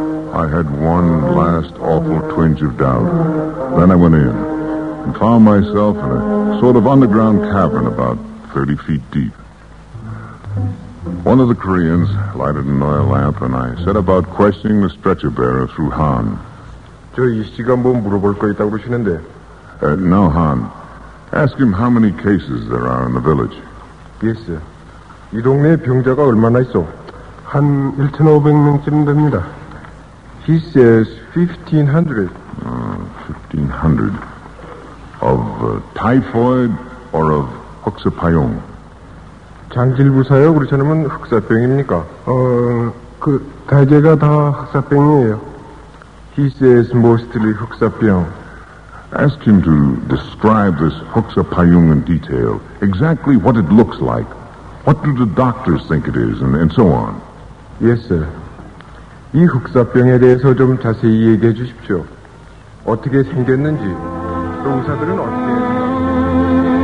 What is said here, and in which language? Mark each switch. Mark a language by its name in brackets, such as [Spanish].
[English] I had one last awful twinge of doubt. Then I went in and found myself in a sort of underground cavern about 30 feet deep. One of the Koreans lighted an oil lamp, and I set about questioning the stretcher bearer through Han. [Korean] 저 이 시간 뭐 물어볼 거 있다고 그러시는데. [English] No, Han. Ask him how many cases there are in the village. Yes, sir. [Korean] 이 동네에 병자가 얼마나 있어? 한 1,500명쯤 됩니다. [English] He says 1,500. 1,500. Of typhoid or of 흑사병? [Korean] 장질부사요? 그렇지 않으면 흑사병입니까? 그 대제가 다 흑사병이에요. [English] He says mostly 흑사병. Ask him to describe this 흑사병 in detail. Exactly what it looks like. What do the doctors think it is, and so on. Yes, sir. [Korean] 이 흑사병에 대해서 좀 자세히 얘기해 주십시오. 어떻게 생겼는지, 또 의사들은 어떻게...